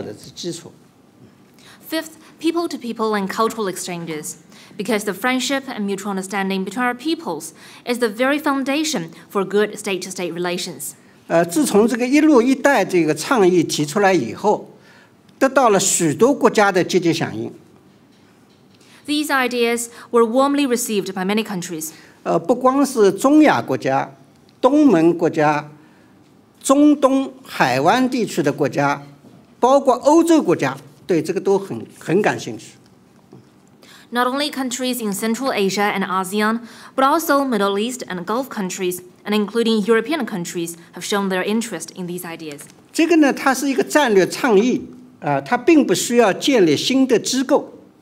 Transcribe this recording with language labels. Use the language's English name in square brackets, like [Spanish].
[Chinese] 老百姓之间相互了解，相互建立起了友谊，这样你的经济合作也好，其他文化交流也好，这个最重要的是基础。 [English] Fifth, people to people and cultural exchanges, because the friendship and mutual understanding between our peoples is the very foundation for good state-to-state relations. [Chinese] 自从这个一路一带这个倡议提出来以后，得到了许多国家的积极响应。 [English] These ideas were warmly received by many countries. [Chinese] 不光是中亚国家、东盟国家、中东海湾地区的国家，包括欧洲国家，对这个都很感兴趣。 [English] Not only countries in Central Asia and ASEAN, but also Middle East and Gulf countries, and including European countries, have shown their interest in these ideas. [Chinese] 这个呢，它是一个战略倡议，它并不需要建立新的机构。